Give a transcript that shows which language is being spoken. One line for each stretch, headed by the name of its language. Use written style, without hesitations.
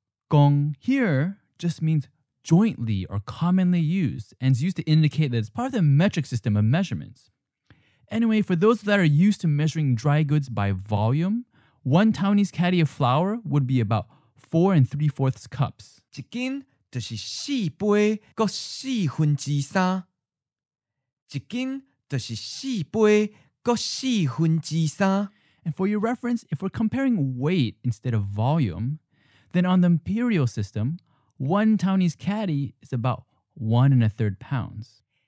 English: 公 here just means jointly or commonly used and is used to indicate that it's part of the metric system of measurements. Anyway, for those that are used to measuring dry goods by volume, 1 Taiwanese caddy of flour would be about 4 3/4 cups.
Chinese: 一斤就是四杯各四分之三. 一斤就是四杯各四分之三.
English: And for your reference, if we're comparing weight instead of volume, then on the imperial system, 1 Taiwanese caddy is about 1 1/3 pounds.